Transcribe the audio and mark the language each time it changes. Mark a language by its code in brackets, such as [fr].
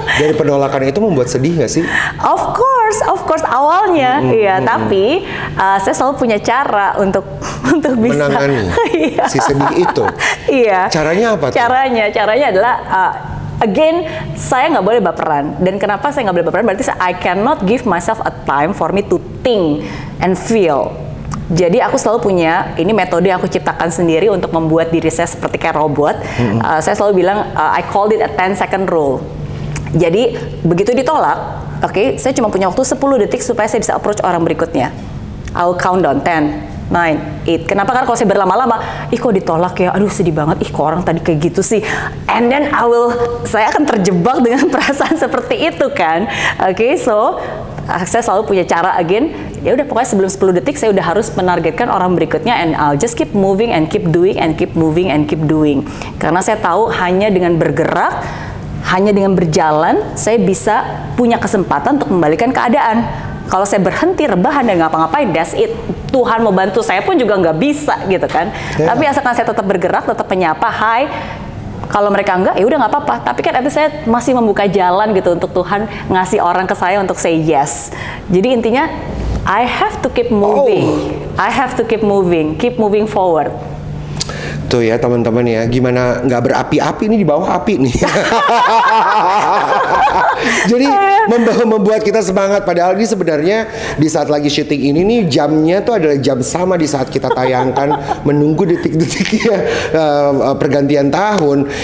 [id] Dari penolakan itu membuat sedih gak sih? [en] Of course [id] awalnya. Iya, tapi saya selalu punya cara untuk bisa menangani si sedih itu. Iya. Caranya apa tuh? Caranya adalah, again, saya nggak boleh baperan. Dan kenapa saya nggak boleh baperan? Berarti [en] I cannot give myself a time for me to think and feel. [id] Jadi aku selalu punya, ini metode yang aku ciptakan sendiri untuk membuat diri saya seperti kayak robot. Saya selalu bilang, [en] I called it a 10-second rule. [id] Jadi, begitu ditolak, okay, saya cuma punya waktu 10 detik supaya saya bisa approach orang berikutnya. [en] I'll count down, [id] 10, 9, 8. Kenapa? Karena kalau saya berlama-lama, "Ih kok ditolak ya, aduh sedih banget, ih kok orang tadi kayak gitu sih." [en] And then [id] saya akan terjebak dengan perasaan seperti itu kan. Okay, so, saya selalu punya cara, again, ya udah pokoknya sebelum 10 detik saya udah harus menargetkan orang berikutnya, [en] and I'll just keep moving and keep doing [id] and keep moving and keep doing, karena saya tahu hanya dengan bergerak, hanya dengan berjalan saya bisa punya kesempatan untuk membalikkan keadaan. Kalau saya berhenti rebahan dan ngapa-ngapain, [en] that's it. [id] Tuhan mau bantu, saya pun juga nggak bisa gitu kan. Yeah. Tapi asalkan saya tetap bergerak, tetap menyapa, hi. Kalau mereka enggak, ya udah nggak apa-apa. Tapi kan itu saya masih membuka jalan gitu untuk Tuhan ngasih orang ke saya untuk [en] say yes. [id] Jadi intinya, [en] I have to keep moving. Oh. I have to keep moving forward. [id] Tuh ya teman-teman ya, gimana nggak berapi-api ini di bawah api nih. Jadi membuat kita semangat, padahal ini sebenarnya di saat lagi syuting ini nih jamnya tuh adalah jam sama di saat kita tayangkan menunggu detik-detiknya pergantian tahun.